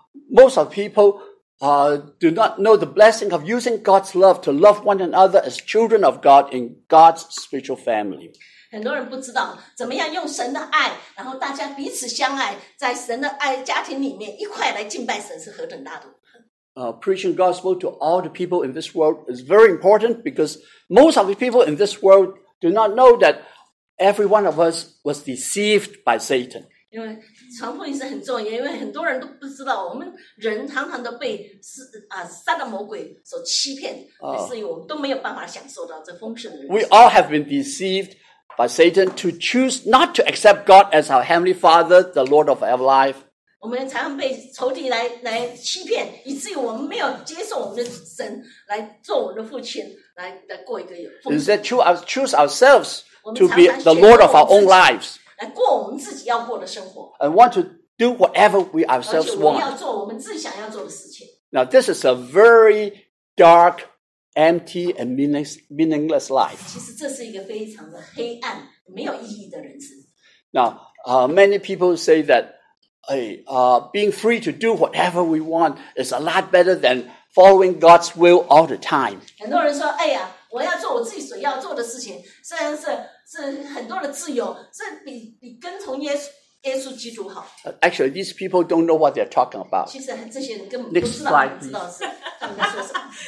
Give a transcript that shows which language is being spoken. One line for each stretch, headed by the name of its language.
English: Most of people do not know the blessing of using God's love to love one another as children of God in God's spiritual family.
Chinese: 很多人不知道怎么样用神的爱，然后大家彼此相爱，在神的爱家庭里面一块来敬拜神是何等大度。
English: Preaching gospel to all the people in this world is very important because most of the people in this world do not know that every one of us was deceived by Satan. We all have been deceived by Satan to choose not to accept God as our Heavenly Father, the Lord of our life.
Chinese: 我们常常被仇敌来欺骗，以至于我们没有接受我们的神来做我们的父亲，来过一个有。
English: Instead, choose ourselves to be the Lord of our own lives.
Chinese: 来过我们自己要过的生活。
English: And want to do whatever we ourselves want.
Chinese: 而且我们要做我们自己想要做的事情。
English: Now this is a very dark, empty, and meaningless life.
Chinese: 其实这是一个非常的黑暗，没有意义的人生。
English: Now, many people say that, being free to do whatever we want is a lot better than following God's will all the time.
Chinese: 很多人说，哎呀，我要做我自己所要做的事情，虽然是很多的自由，是比跟从耶稣基督好。
English: Actually, these people don't know what they're talking about.
Chinese: 其实这些人根本不知道，不知道是他们在说什么。